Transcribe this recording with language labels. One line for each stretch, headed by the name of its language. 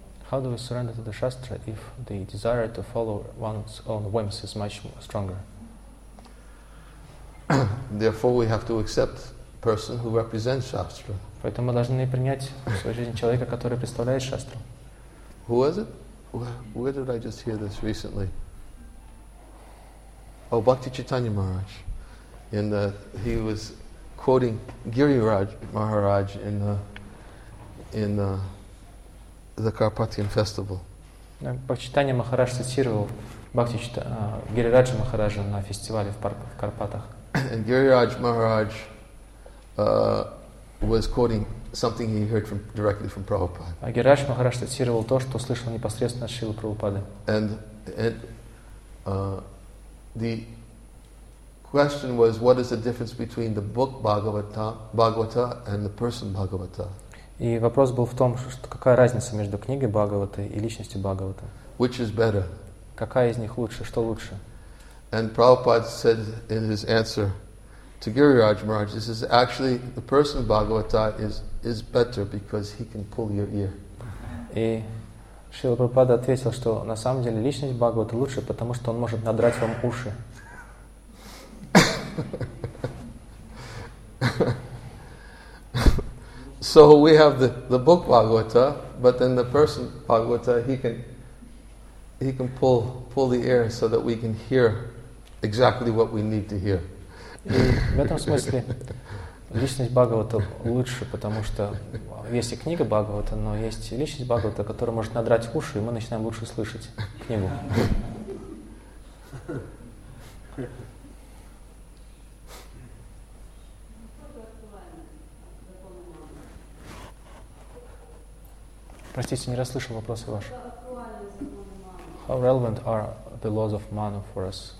English: How do we surrender to the Shastra if the desire to follow one's own whims is much stronger? Therefore, we have to accept a person who represents Shastra.
Russian: Поэтому мы должны принять в свою жизнь человека, который представляет Шастру.
English: Who was it? Where did I just hear this recently? Oh, Bhakti Chaitanya Maharaj. And he was quoting Giriraj Maharaj in the Carpathian festival.
Russian: Бхактичитанья Махарадж цитировал Гирираджа Махараджа на фестивале в Карпатах.
English: And Гирирадж Махарадж was quoting something he heard directly from Prabhupada.
Russian: А Гирирадж Махарадж цитировал то, что слышал непосредственно от Шрилы Прабхупады.
English: And the question was, what is the difference between the book Bhagavata and the person Bhagavata?
Russian: И вопрос был в том, что какая разница между книгой Бхагаваты и личностью Бхагаваты?
English: Which is better?
Russian: Какая из них лучше? Что лучше?
English: And Prabhupada said in his answer to Giriraj Maharaj, this is actually the person Bhagavata is better because he can pull your ear.
Russian: И Шрила Прабхупада ответил, что на самом деле личность Бхагаваты лучше, потому что он может надрать вам уши.
English: So we have the book Bhagavata, but then the person Bhagavata he can pull the ear so that we can hear exactly what we need to hear.
Russian: В этом смысле личность Бхагавата лучше, потому что есть и книга Бхагавата, но есть личность Бхагавата, которая может надрать уши, и мы начинаем лучше слышать книгу. Простите, не расслышал вопросы ваши.
English: How relevant are the laws of Manu for us?